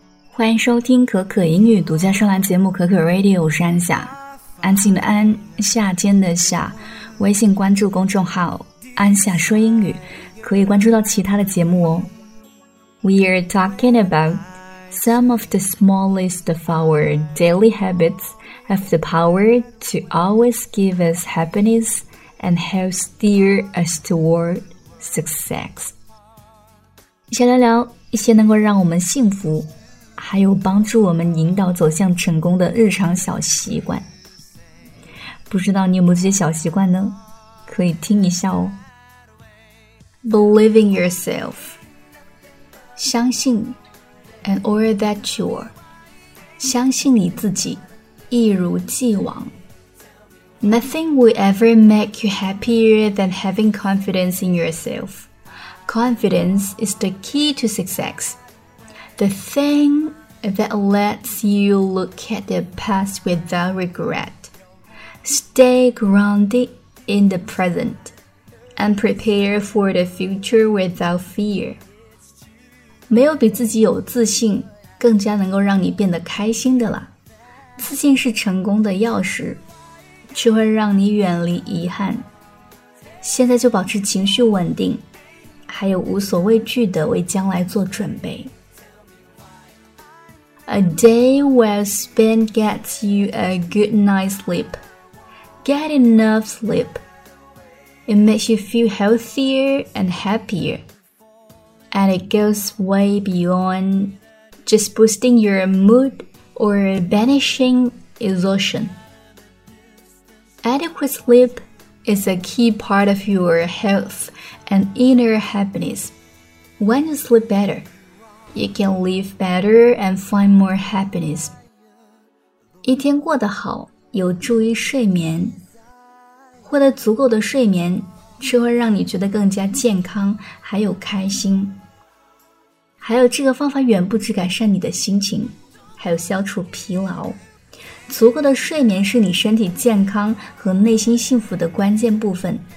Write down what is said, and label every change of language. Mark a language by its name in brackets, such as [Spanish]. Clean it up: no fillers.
[Chinese] 欢迎收听可可英语独家专栏节目可可 Radio， 我是安夏，安静的安，夏天的夏。微信关注公众号安夏说英语，可以关注到其他的节目哦。 [English] We are talking about some of the smallest of our daily habits have the power to always give us happiness and help steer us toward success. [Chinese] 先聊聊一些能够让我们幸福还有帮助我们引导走向成功的日常小习惯。不知道你有没有这些小习惯呢？可以听一下哦。 [English] Believe in yourself. [Chinese] 相信 [English] and or that you are. [Chinese] 相信你自己，一如既往。 [English] Nothing will ever make you happier than having confidence in yourself. Confidence is the key to success. The thing that lets you look at the past without regret. Stay grounded in the present and prepare for the future without fear. [Chinese] 没有比自己有自信更加能够让你变得开心的了。自信是成功的钥匙，却会让你远离遗憾。现在就保持情绪稳定，还有无所畏惧地为将来做准备。 [English] A day well spent gets you a good night's sleep. Get enough sleep. It makes you feel healthier and happier. And it goes way beyond just boosting your mood. Or banishing exhaustion. Adequate sleep is a key part of your health and inner happiness. When you sleep better, you can live better and find more happiness. [Chinese] 一天过得好，有助于睡眠。获得足够的睡眠，是会让你觉得更加健康，还有开心。还有这个方法远不止改善你的心情。还有消除疲劳，足够的睡眠是你身体健康和内心幸福的关键部分。